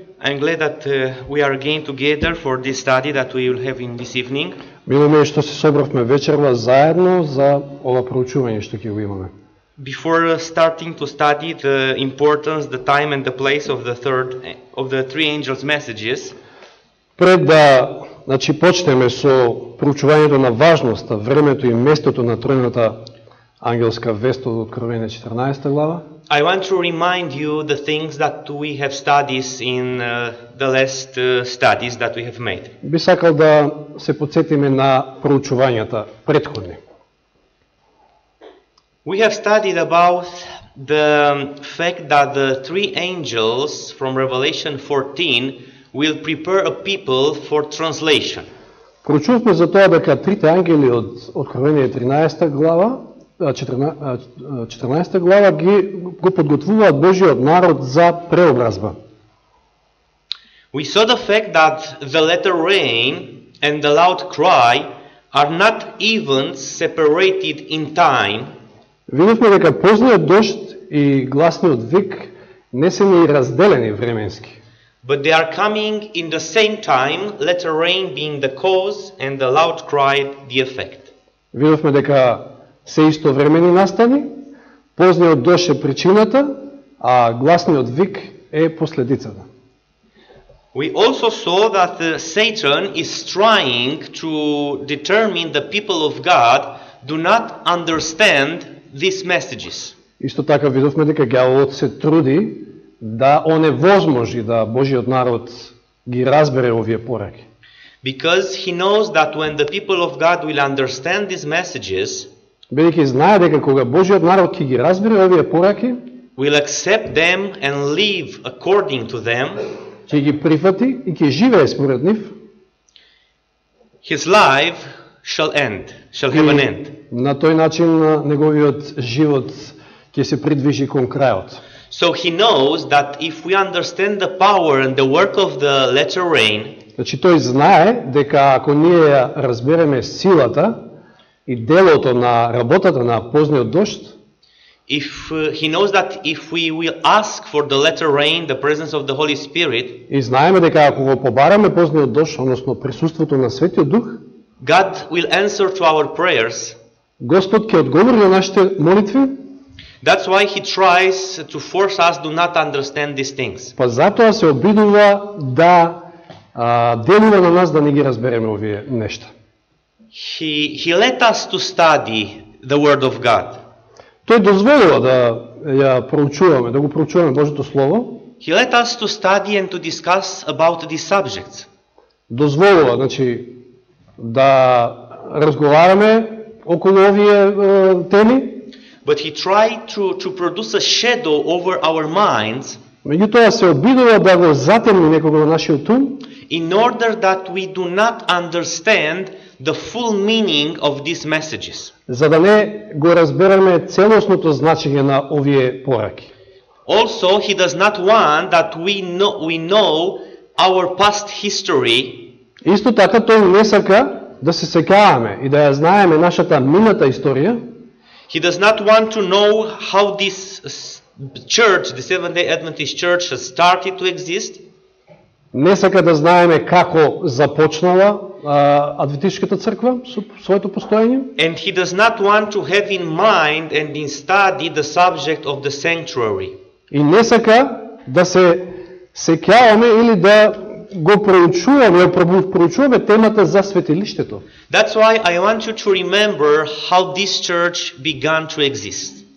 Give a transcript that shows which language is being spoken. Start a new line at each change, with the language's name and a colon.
English: I'm glad that we are again together for this study that we will have in this evening.
Macedonian: Мило ми е што се собравме вечерва заедно за ова проучување што ќе го имаме.
English: Before starting to study the importance, the time and the place of the third of the three angels' messages.
Macedonian: Пред да, значи, почнеме со проучувањето на важноста, времето и местото на тројната ангелска вест од Откровение 14 глава.
English: I want to remind you the things that we have studies in the last studies that we have made.
Macedonian: Би сакал да се подсетиме на проучувањата претходни.
English: We have studied about the fact that the three angels from Revelation 14 will prepare a people for translation.
Macedonian: Проучувавме за тоа дека трите ангели од Откровение 13 глава 14-та глава го подготвуваат Божиот народ за преобразба.
English: We saw the fact that the latter rain and the loud cry are not events separated in time.
Macedonian: Видовме дека позниот дожд и гласниот вик не се ни разделени временски.
English: But they are coming in the same time, latter rain being the cause and the loud cry the effect.
Macedonian: Видовме дека се истовремени настани, позниот дожд е причината, а гласниот вик е последицата.
English: We also saw that Satan is trying to determine the people of God do not understand these messages.
Macedonian: Исто така видовме дека ѓаволот се труди да оневозможи да Божиот народ ги разбере овие пораки.
English: Because he knows that when the people of God will understand these messages,
Macedonian: бидејќи знае дека кога Божиот народ ќе ги разбере овие пораки,
English: will accept them and live according to them,
Macedonian: ќе ги прифати и ќе живее според нив,
English: his life shall end, shall have an end.
Macedonian: На тој начин неговиот живот ќе се придвижи кон крајот.
English: So he knows that if we understand the power and the work of the latter rain,
Macedonian: значи тој знае дека ако ние разбереме силата и делото на работата на позниот дожд,
English: if he knows that if we will ask for the latter rain, the presence of the Holy Spirit,
Macedonian: и знаеме дека ако го побараме позниот дожд, односно присуството на Светиот Дух,
English: God will answer to our prayers.
Macedonian: Господ ќе одговори на нашите молитви.
English: That's why he tries to force us do not understand these things.
Macedonian: Па затоа се обидува да делува на нас да не ги разбереме овие нешта.
English: He let us to study the word of God.
Macedonian: Тој дозволува да ја проучуваме, да го проучуваме Божјото слово.
English: He let us to study and to discuss about these subjects.
Macedonian: Дозволува, значи, да разговараме околу овие теми.
English: But he tried to produce a shadow over our minds.
Macedonian: Меѓутоа се обидува да го затемни некого во нашиот ум,
English: in order that we do not understand the full meaning of these messages.
Macedonian: За да не го разбереме целосното значење на овие пораки.
English: Also, he does not want that we know our past history.
Macedonian: Исто така тој не сака да се сеќаваме и да ја знаеме нашата мината историја.
English: He does not want to know how this church, the Seventh-day Adventist church, has started to exist.
Macedonian: Не сака да знаеме како започнала адвентистичката црква со своето постоење.
English: And he does not want to have in mind and in study the subject of the sanctuary.
Macedonian: И не сака да се сеќаваме или да го проучуваме, проучуваме темата за светилиштето.
English: That's why I want you to remember how this church began to exist.